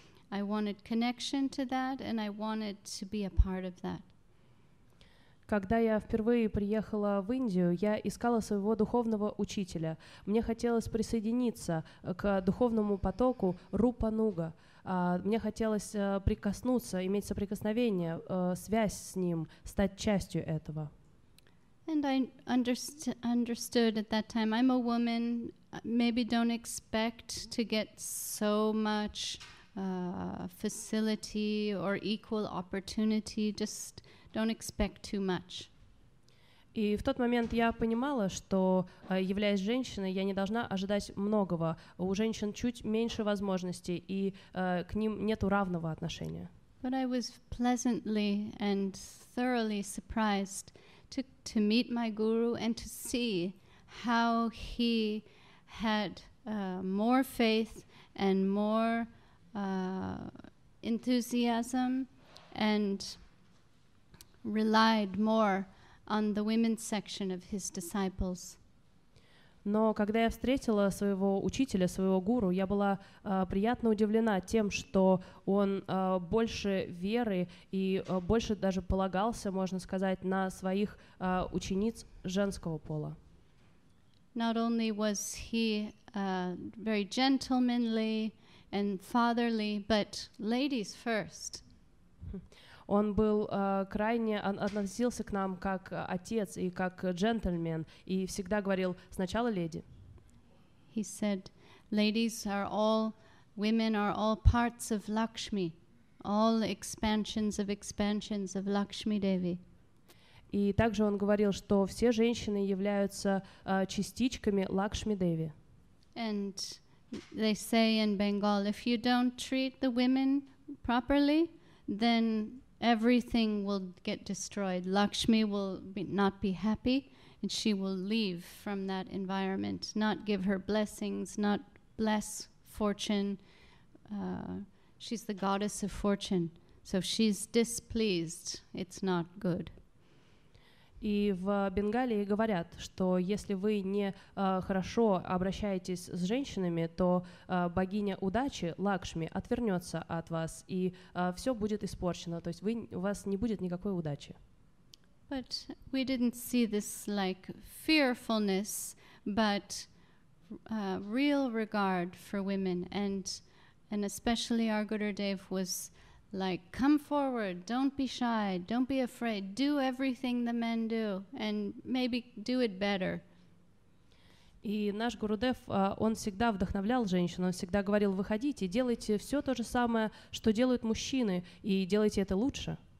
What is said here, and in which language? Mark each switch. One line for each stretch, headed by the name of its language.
English: I wanted connection to that, and I wanted to be a part of that.
Russian: Когда я впервые приехала в Индию, я искала своего духовного учителя. Мне хотелось присоединиться к духовному потоку Рупа Нуга. Мне хотелось прикоснуться, иметь соприкосновение, связь с ним, стать частью этого.
English: And I understood at that time, I'm a woman, maybe don't expect to get so much facility or equal opportunity, just don't expect too much.
Russian: И в тот момент я понимала, что, являясь женщиной, я не должна ожидать многого. У женщин чуть меньше возможностей, и к ним нету равного отношения.
English: But I was pleasantly and thoroughly surprised to meet my guru and to see how he had more faith and more enthusiasm and relied more on the women's section of his disciples.
Russian: Но когда я встретила своего учителя, своего гуру, я была приятно удивлена тем, что он больше веры и больше даже полагался, можно сказать, на своих учениц женского пола.
English: Not only was he very gentlemanly and fatherly, but ladies first.
Russian: Он был крайне относился к нам как отец и как джентльмен и всегда говорил сначала леди.
English: He said, "Ladies are all, women are all parts of Lakshmi, all expansions of Lakshmi Devi."
Russian: И также он говорил, что все женщины являются частичками Лакшми Деви.
English: And they say in Bengal, if you don't treat the women properly, then everything will get destroyed. Lakshmi will not be happy, and she will leave from that environment, not give her blessings, not bless fortune. She's the goddess of fortune. So if she's displeased, it's not good.
Russian: И в Бенгалии говорят, что если вы не хорошо обращаетесь с женщинами, то богиня удачи, Лакшми, отвернется от вас, и все будет испорчено. То есть у вас не будет никакой удачи.
English: But we didn't see this like fearfulness, but real regard for women. And especially our Gurudev was... like, come forward, don't be shy, don't be afraid, do everything the men do, and maybe do it better.
Russian: И наш Гурудев, он всегда вдохновлял женщин, он всегда говорил, выходите, делайте все то же самое, что делают мужчины, и делайте это лучше.